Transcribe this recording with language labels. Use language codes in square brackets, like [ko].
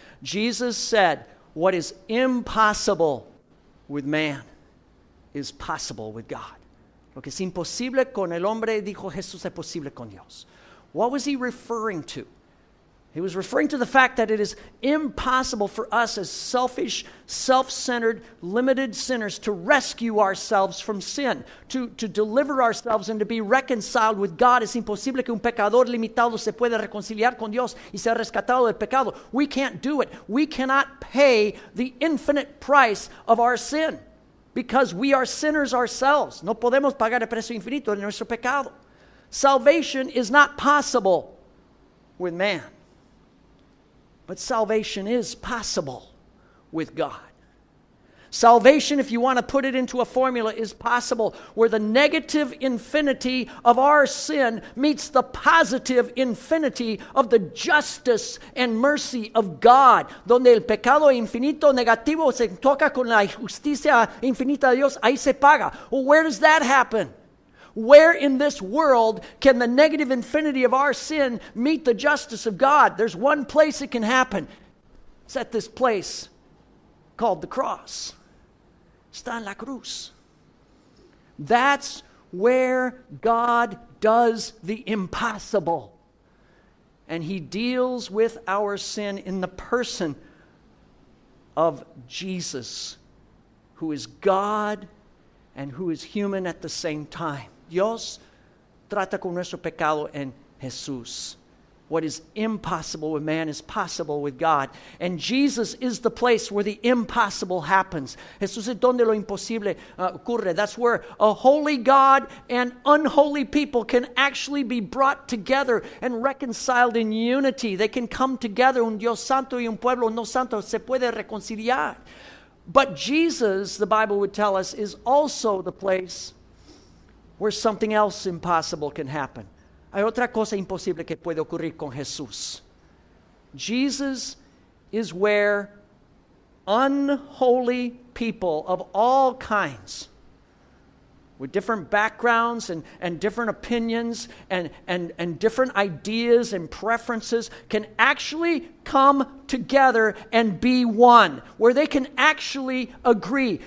[en] Jesus said, "What is impossible with man is possible with God." [es] Lo que es imposible con el hombre, dijo Jesús, es posible con Dios. [en] What was he referring to? He was referring to the fact that it is impossible for us as selfish, self-centered, limited sinners to rescue ourselves from sin, to deliver ourselves and to be reconciled with God. [es] Es imposible que un pecador limitado se pueda reconciliar con Dios y ser rescatado del pecado. [en] We can't do it. We cannot pay the infinite price of our sin. Because we are sinners ourselves. [es] No podemos pagar el precio infinito de nuestro pecado. [en] Salvation is not possible with man. But salvation is possible with God. Salvation, if you want to put it into a formula, is possible where the negative infinity of our sin meets the positive infinity of the justice and mercy of God. [es] Donde el pecado infinito negativo se toca con la justicia infinita de Dios, ahí se paga. [en] Well, where does that happen? Where in this world can the negative infinity of our sin meet the justice of God? There's one place it can happen. It's at this place called the cross. [es] Está en la cruz. [en] That's where God does the impossible. And he deals with our sin in the person of Jesus, who is God and who is human at the same time. [es] Dios trata con nuestro pecado en Jesús. [en] What is impossible with man is possible with God. And Jesus is the place where the impossible happens. [es] Jesús es donde lo imposible ocurre. [en] That's where a holy God and unholy people can actually be brought together and reconciled in unity. They can come together. [es] Un Dios santo y un pueblo no santo se puede reconciliar. [en] But Jesus, the Bible would tell us, is also the place where something else impossible can happen. [es] Hay otra cosa imposible que puede ocurrir con Jesús. [en] Jesus is where unholy people of all kinds, with different backgrounds and different opinions and different ideas and preferences, can actually come together and be one, where they can actually agree.